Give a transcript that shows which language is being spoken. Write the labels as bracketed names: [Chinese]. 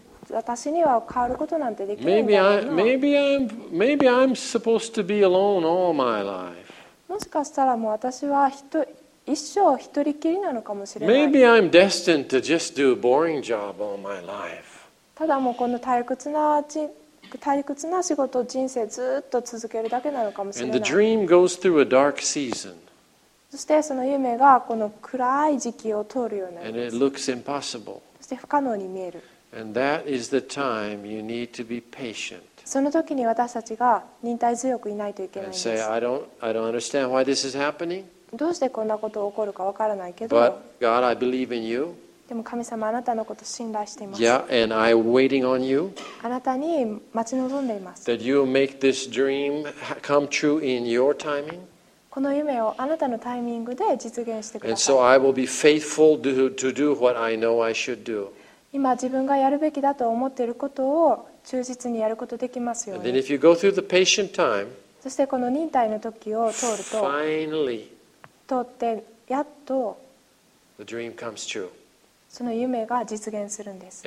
[Japanese] 私には変わることなんてできないんだけど。 [English] Maybe I'm supposed to be alone all my life. [Japanese] もしかしたらもう私は一生一人きりなのかもしれない。 [English] Maybe I'm destined to just do a boring job all my life. [Japanese] ただもうこの退屈な仕事人生ずっと続けるだけなのかもしれない。 [English] And the dream goes through a dark season. [Japanese] そしてその夢がこの暗い時期を通るようになります [English] 。 And it looks impossible. [Japanese] そして不可能に見える。 [English] And that is the time you need to be patient. [Japanese] その時に私たちが忍耐強くいないといけないんです。 [English] say, I don't understand why this is happening. [Japanese] どうしてこんなことが起こるかわからないけど、 [English] But God, I believe in you. [Japanese] でも神様、あなたのことを信頼しています。 [English] Yeah, and I'm waiting on you. [Japanese] あなたに待ち望んでいます。 [English] That you'll make this dream come true in your timing. [Japanese] この夢をあなたのタイミングで実現してください。 [English] And so I will be faithful to do what I know I should do. [Japanese] 今自分がやるべきだと思っていることを忠実にやることできますように。そしてこの忍耐の時を通ると、 [English] Finally, [Japanese] 通ってやっと [English] the dream comes true. [Japanese] その夢が実現するんです。